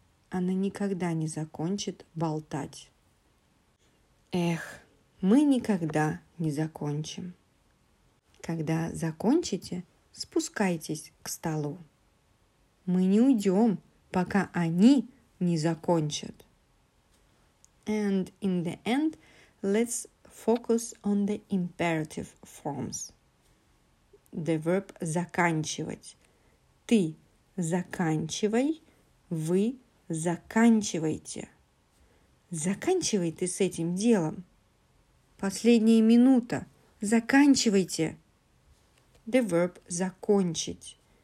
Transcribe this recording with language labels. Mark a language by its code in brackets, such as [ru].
[ru] Она никогда не закончит болтать. Эх, мы никогда не закончим. Когда закончите, спускайтесь к столу. Мы не уйдем, пока они не закончат. [en] And in the end, let's focus on the imperative forms. The verb заканчивать. [ru] Ты заканчивай, вы заканчивайте. Заканчивай ты с этим делом. Последняя минута. Заканчивайте. [en] The verb закончить.